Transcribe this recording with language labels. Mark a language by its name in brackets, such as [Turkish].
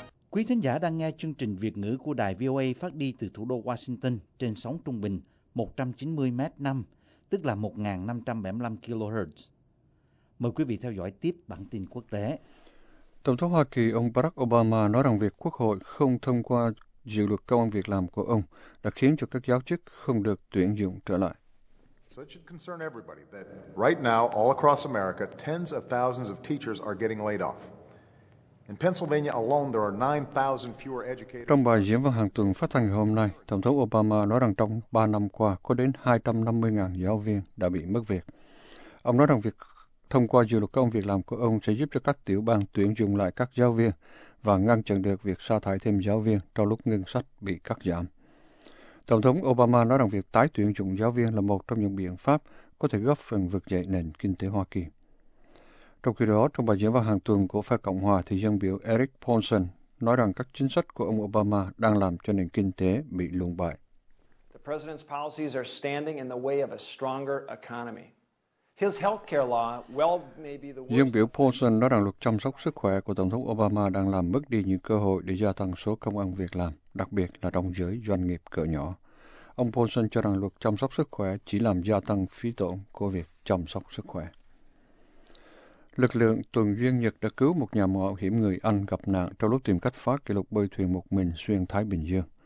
[Vietnamese] Quý thính giả đang nghe chương trình Việt ngữ của đài VOA phát đi từ thủ đô Washington trên sóng trung bình 190m5, tức là 1575kHz. Mời quý vị theo dõi tiếp bản tin quốc tế. Tổng thống Hoa Kỳ ông Barack Obama nói rằng việc Quốc hội không thông qua dự luật công an việc làm của ông đã khiến cho các giáo chức không được tuyển dụng trở lại. [English] That should concern everybody that right now all across America tens of thousands of teachers are getting laid off. In Pennsylvania alone, there are 9,000 fewer educators. [Vietnamese] Trong bài diễn văn hàng tuần phát thanh hôm nay, Tổng thống Obama nói rằng trong 3 năm qua có đến 250.000 giáo viên đã bị mất việc. Ông nói rằng việc thông qua dự luật công việc làm của ông sẽ giúp cho các tiểu bang tuyển dụng lại các giáo viên và ngăn chặn được việc sa thải thêm giáo viên trong lúc ngân sách bị cắt giảm. Tổng thống Obama nói rằng việc tái tuyển dụng giáo viên là một trong những biện pháp có thể góp phần vực dậy nền kinh tế Hoa Kỳ. Trong khi đó, trong bài diễn văn hàng tuần của phe Cộng hòa thì dân biểu Eric Paulson nói rằng các chính sách của ông Obama đang làm cho nền kinh tế bị lụng bại. [English] The president's policies are standing in the way of a stronger economy. His healthcare law, well, maybe the worst. [Vietnamese] Dân biểu Paulson nói rằng luật chăm sóc sức khỏe của Tổng thống Obama đang làm mất đi những cơ hội để gia tăng số công ăn việc làm, đặc biệt là trong giới doanh nghiệp cỡ nhỏ. Ông Paulson cho rằng luật chăm sóc sức khỏe chỉ làm gia tăng phí tổn của việc chăm sóc sức khỏe. Lực lượng tuần duyên Nhật đã cứu một nhà mạo hiểm người Anh gặp nạn trong lúc tìm cách phá kỷ lục bơi thuyền một mình xuyên Thái Bình Dương.